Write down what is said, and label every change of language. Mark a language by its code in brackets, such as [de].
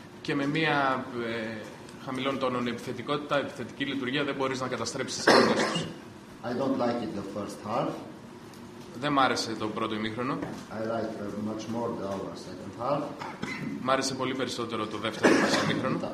[el] Και με μια χαμηλών τόνων επιθετικότητα, επιθετική λειτουργία δεν μπορείς να καταστρέψεις αυτούς τους. [en] I don't like it the first half. [el] Δεν μ' άρεσε το πρώτο ημίχρονο. [en] I like much more the other second half. [el] Μ' άρεσε πολύ περισσότερο το δεύτερο ημίχρονο.